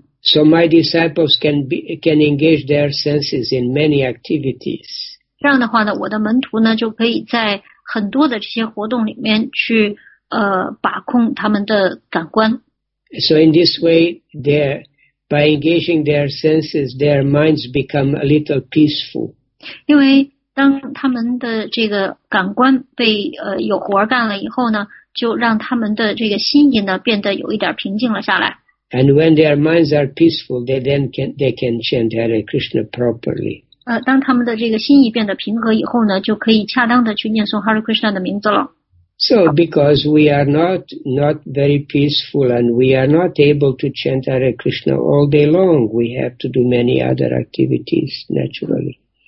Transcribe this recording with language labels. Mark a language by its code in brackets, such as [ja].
[en] So my disciples can engage their senses in many activities. [zh] 这样的话呢，我的门徒呢就可以在很多的这些活动里面去。把控他们的感官。 [en] So in this way, by engaging their senses, their minds become a little peaceful. [zh] 因为当他们的这个感官被有活干了以后呢，就让他们的这个心意呢变得有一点平静了下来。 [en] And when their minds are peaceful, they can chant Hare Krishna properly. [zh] 当他们的这个心意变得平和以后呢，就可以恰当的去念诵 Hare Krishna的名字了。 [en] So, because we are not very peaceful and we are not able to chant Hare Krishna all day long, we have to do many other activities naturally.